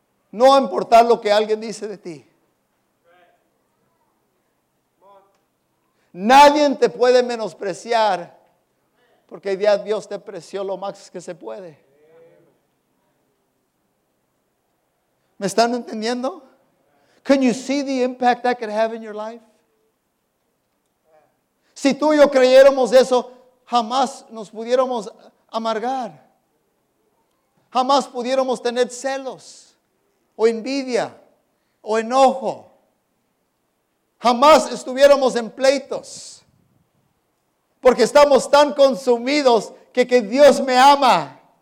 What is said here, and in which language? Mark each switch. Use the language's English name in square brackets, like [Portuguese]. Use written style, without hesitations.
[Spanish] No va a importar lo que alguien dice de ti. Nadie te puede menospreciar porque ya Dios te apreció lo máximo que se puede. ¿Me están entendiendo? [English] Can you see the impact that could have in your life? [Spanish] Si tú y yo creyéramos eso, jamás nos pudiéramos amargar. Jamás pudiéramos tener celos o envidia o enojo. Jamás estuviéramos en pleitos. Porque estamos tan consumidos que Dios me ama.